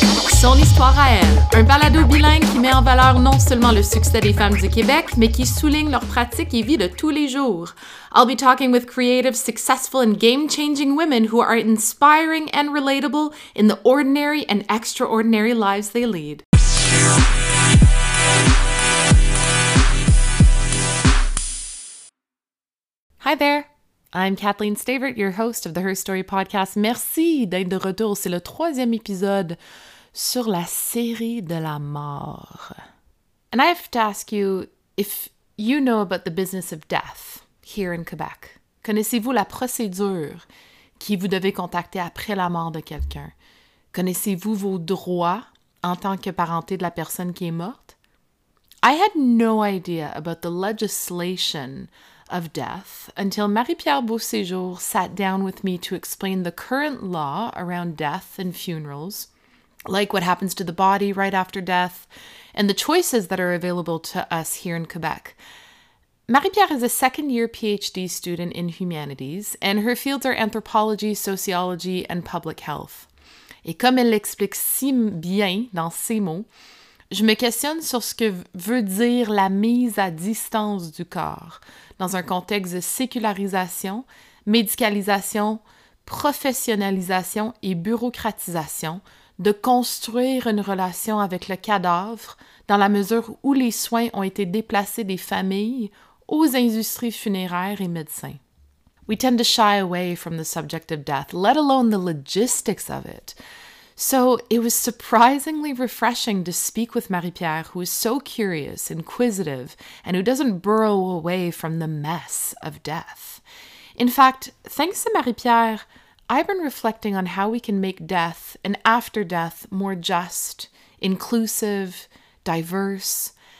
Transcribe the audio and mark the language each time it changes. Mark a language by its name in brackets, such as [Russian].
[French] Son histoire à elle, un balado bilingue qui met en valeur non seulement le succès des femmes du Québec, mais qui souligne leur pratique et vie de tous les jours. [English] I'll be talking with creative, successful and game-changing women who are inspiring and relatable in the ordinary and extraordinary lives they lead. Hi there! I'm Kathleen Stavert, your host of the Her Story Podcast. [French] Merci d'être de retour. C'est le troisième épisode sur la série de la mort. [English] And I have to ask you if you know about the business of death here in Quebec. [French] Connaissez-vous la procédure qui vous devez contacter après la mort de quelqu'un? Connaissez-vous vos droits en tant que parenté de la personne qui est morte? [English] I had no idea about the legislation of death until Marie-Pierre Beauséjour sat down with me to explain the current law around death and funerals, like what happens to the body right after death, and the choices that are available to us here in Quebec. Marie-Pierre is a second-year PhD student in humanities, and her fields are anthropology, sociology, and public health. [French] Et comme elle l'explique si bien dans ses mots, je me questionne sur ce que veut dire la mise à distance du corps dans un contexte de sécularisation, médicalisation, professionnalisation et bureaucratisation, de construire une relation avec le cadavre dans la mesure où les soins ont été déplacés des familles aux industries funéraires et médecins. [English] We tend to shy away from the subject of death, let alone the logistics of it. So it was surprisingly refreshing to speak with Marie-Pierre, who is so curious, inquisitive, and who doesn't burrow away from the mess of death. In fact, thanks to Marie-Pierre, I've been reflecting on how we can make death and after death more just, inclusive, diverse.